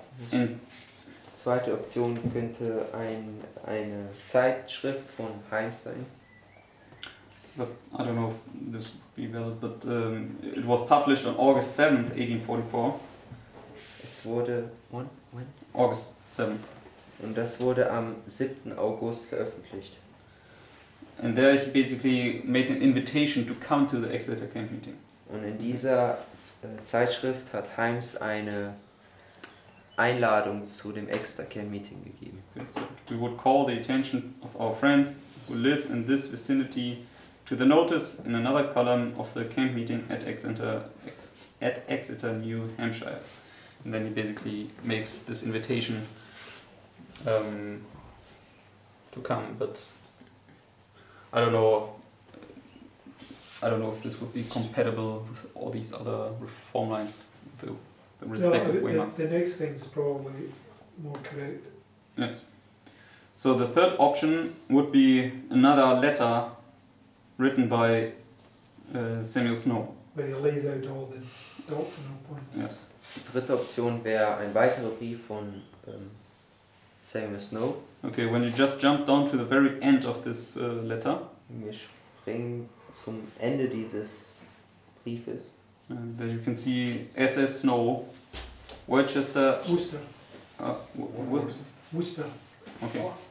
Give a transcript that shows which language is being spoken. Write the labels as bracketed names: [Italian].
[German] Die zweite Option könnte eine Zeitschrift von Himes sein. [English] But I don't know if this would be valid, but it was published on August 7th, 1844. [German] Es wurde... [English] When? August 7th. [German] Und das wurde am 7. August veröffentlicht. [English] And there he basically made an invitation to come to the Exeter camp meeting. [German] Und in dieser Zeitschrift hat Himes eine Einladung zu dem Exeter camp meeting gegeben. [English] Okay, so we would call the attention of our friends who live in this vicinity to the notice in another column of the camp meeting at Exeter, New Hampshire. And then he basically makes this invitation to come, but I don't know if this would be compatible with all these other reform lines, the respective Waymarks. The next thing is probably more correct. Yes. So the third option would be another letter written by Samuel Snow. But he lays out all the doctrinal points. Yes. [German] Die dritte Option wäre ein weiterer Brief von Samuel Snow. [English] Okay, when you just jump down to the very end of this letter. [German] Wir springen zum Ende dieses Briefes. [English] There you can see SS Snow, Worcester. Worcester. Worcester. Okay.